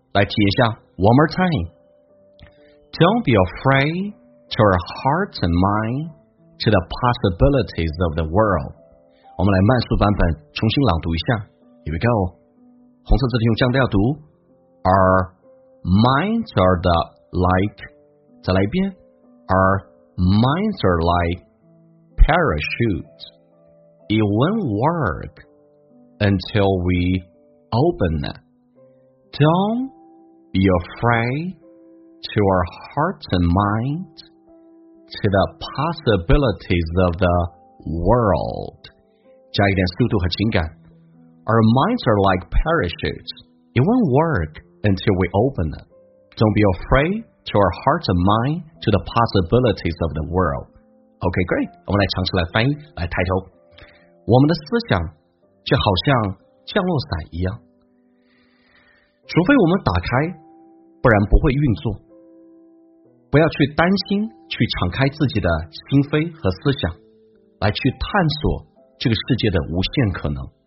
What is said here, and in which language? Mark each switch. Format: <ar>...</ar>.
<zh>来提一下</zh> <en>one more time， Don't be afraid to our hearts and mind to the possibilities of the world。</en> <zh>我们来慢速版本重新朗读一下，</zh> <en>Here we go，</en> <zh>红色字体用降调读，</zh> <en>Our minds are the like，</en> <zh>再来一遍。</zh> <en>Our minds are like parachutes. It won't work until we open it. Don't be afraid to our hearts and minds to the possibilities of the world.</en> <zh>加一点速度和情感。</zh> <en>Our minds are like parachutes. It won't work. Until we open it. Don't be afraid to our hearts and mind to the possibilities of the world. OK, great.</en> <zh>我们来尝试来翻译，来抬头。我们的思想就好像降落伞一样，除非我们打开，不然不会运作。不要去担心，去敞开自己的心扉和思想，来去探索这个世界的无限可能。</zh>